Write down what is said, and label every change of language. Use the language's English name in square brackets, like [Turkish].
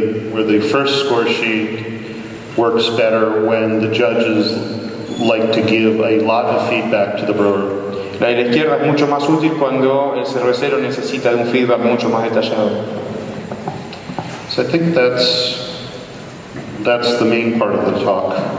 [English] Where the first score sheet works better when the judges like to give a lot of feedback to the brewer. [Spanish] La de la izquierda es mucho más útil cuando el cervecero necesita un feedback mucho más detallado. [English] So I think that's the main part of the talk.